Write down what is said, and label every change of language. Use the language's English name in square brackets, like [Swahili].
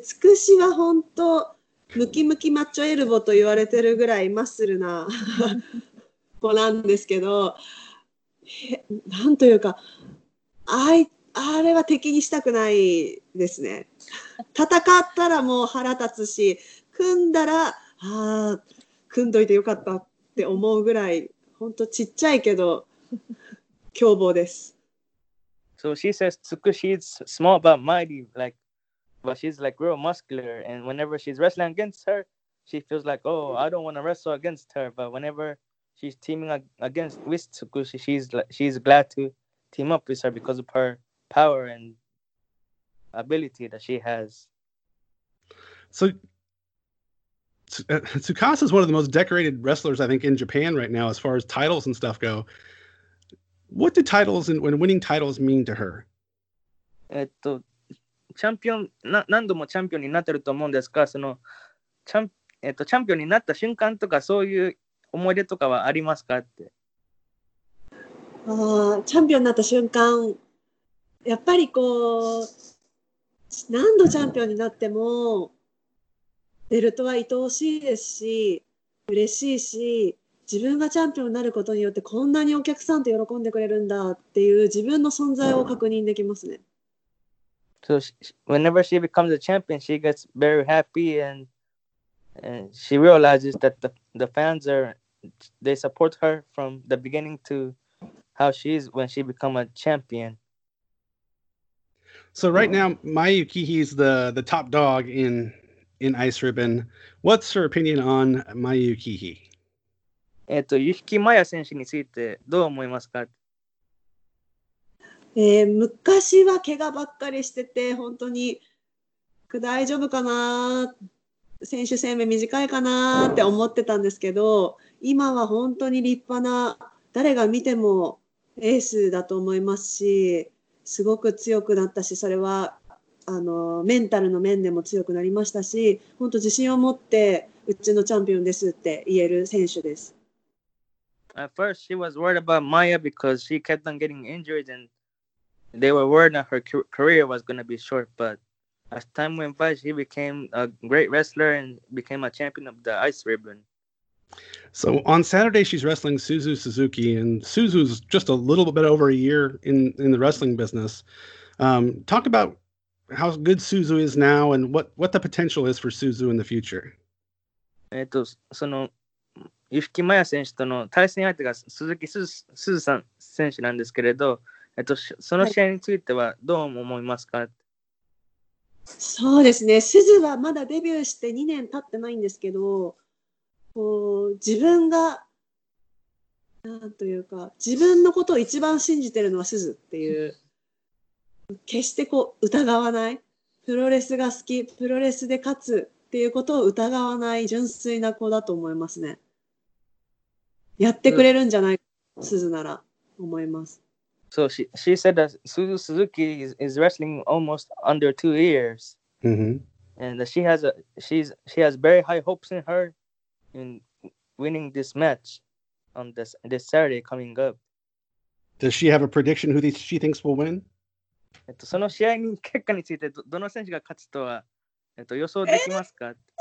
[Japanese] つくしは本当、ムキムキマッチョエルボと言われてるぐらいマッスルな子なんですけど、なんというか、あれは敵にしたくないですね。戦ったらもう腹立つし、組んだら、ああ、組んどいてよかったって思うぐらい、本当ちっちゃいけど、凶暴です。 [English] So she says, Tsukushi is small but mighty, like, but she's like real muscular, and whenever she's wrestling against her, she feels like, oh, I don't want to wrestle against her, but whenever she's teaming against with Tsukushi, she's glad to team up with her because of her power and ability that she has. So Tsukasa is one of the most decorated wrestlers, I think, in Japan right now, as far as titles and stuff go. What do titles and when winning titles mean to her? チャンピオン、何度もチャンピオンになってると思うんですが、その、チャンピオンになった瞬間とか、そういう思い出とかはありますかって。チャンピオンになった瞬間、やっぱりこう、何度チャンピオンになっても、ベルトは愛おしいですし、嬉しいし、自分がチャンピオンになることによって、こんなにお客さんと喜んでくれるんだっていう、自分の存在を確認できますね。 So whenever she becomes a champion, she gets very happy and she realizes that the fans are, they support her from the beginning to how she is when she become a champion. So right now, Mayu Kihi is the top dog in Ice Ribbon. What's her opinion on Mayu Kihi? [Japanese] Yuki Maya 選手についてどう思いますか？昔は怪我ばっかりしてて、本当に大丈夫かな、選手生命短いかなって思ってたんですけど、今は本当に立派な、誰が見てもエースだと思いますし、すごく強くなったし、それはメンタルの面でも強くなりましたし、本当自信を持ってうちのチャンピオンですって言える選手です。 [English] At first she was worried about Maya because she kept on getting injured andThey were worried that her career was going to be short, but as time went by, she became a great wrestler and became a champion of the Ice Ribbon. So on Saturday, she's wrestling Suzu Suzuki, and Suzu's just a little bit over a year in the wrestling business. Talk about how good Suzu is now and what the potential is for Suzu in the future. [Japanese] その、Yusuke Maya 選手との対戦相手が鈴木すずさん選手なんですけれど、その試合についてはどう思いますか？そうですね、すずはまだデビューして2年経ってないんですけど、こう自分がなんというか自分のことを一番信じてるのはすずっていう、決してこう疑わない、プロレスが好き、プロレスで勝つっていうことを疑わない純粋な子だと思いますね。やってくれるんじゃないか、すずなら思います。 [English] So she said that Suzu Suzuki is wrestling almost under 2 years. Mm-hmm. And that she has very high hopes in her in winning this match on this Saturday coming up. Does she have a prediction who she thinks will win? [Japanese] その試合に結果についてどの選手が勝つとは予想できますか？